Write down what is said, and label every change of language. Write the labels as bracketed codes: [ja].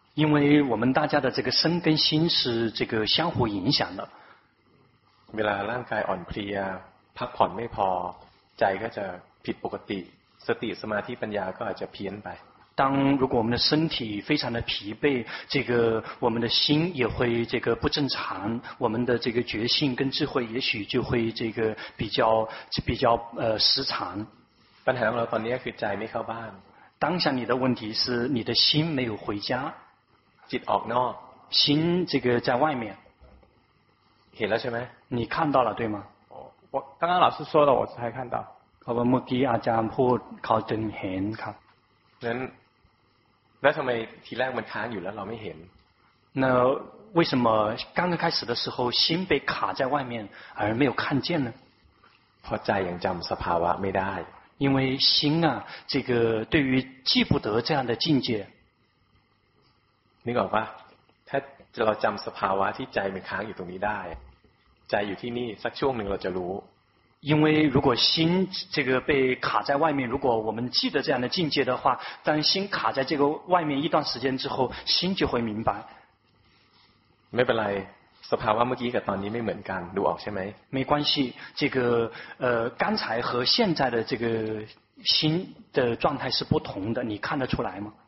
[zh] 因为我们大家的这个身跟心是这个相互影响的 [th] เวลาร่างกายอ่อนเพลียพักผ่อนไม่พอใจก็จะผิดปกติสติสมาธิปัญญาก็อาจจะเพี้ยนไป [zh] 当如果我们的身体非常的疲惫，这个我们的心也会这个不正常，我们的这个觉性跟智慧也许就会这个比较失常。本来我们今天是在没靠班。当下你的问题是你的心没有回家。 [th] จิตออกนอก [zh] 心这个在外面。 [th] เห็นแล้วใช่ไหม？ [zh] 你看到了对吗？我刚刚老师说了，我才看到。 [th] เมื่อกี้อาจารย์พูดเขาจึงเห็นครับ แล้วทำไมทีแรกมันค้างอยู่แล้วเราไม่เห็น [zh] 那为什么刚刚开始的时候心被卡在外面而没有看见呢？ [th] เพราะใจยังจำสภาวะไม่ได้ [zh] 因为心啊这个对于记不得这样的境界 [th] นี่ก่อนว่าถ้าเราจำสภาวะที่ใจมันค้างอยู่ตรงนี้ได้ใจอยู่ที่นี่สักช่วงหนึ่งเราจะรู้ [zh] 因为如果心这个被卡在外面，如果我们记得这样的境界的话，当心卡在这个外面一段时间之后，心就会明白。 [th] 没本来，สภาวะเมื่อกี้กับตอนนี้ไม่เหมือนกันดูออกใช่ไหม？ [zh] 没关系，这个刚才和现在的这个心的状态是不同的，你看得出来吗？